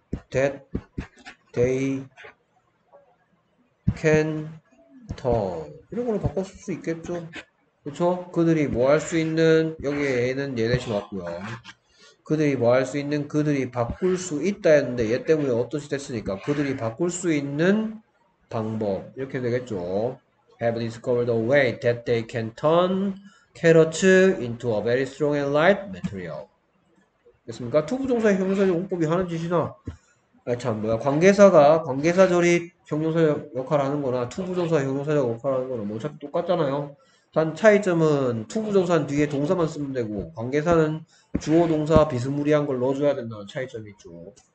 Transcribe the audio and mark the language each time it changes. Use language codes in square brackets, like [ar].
[en] That they can turn. [ko] 이런 걸로 바꿔 쓸수 있겠죠. 그쵸? 그들이 뭐할수 있는, 여기에 A는 얘네시 맞고요. 그들이 뭐할수 있는, 그들이 바꿀 수 있다 했는데, 얘 때문에 어떤 시 됐으니까, 그들이 바꿀 수 있는 방법. 이렇게 되겠죠. [en] Have discovered a way that they can turn carrots into a very strong and light material. [ko] 됐습니까? 투부정사의 형용사 용법이 하는 짓이나, 아참 뭐야, 관계사절이 형용사 역할을 하는 거나 투부정사 형용사 역할을 하는 거나 뭐 어차피 똑같잖아요. 단 차이점은 투부정사는 뒤에 동사만 쓰면 되고 관계사는 주어 동사 비스무리한 걸 넣어줘야 된다는 차이점이 있죠.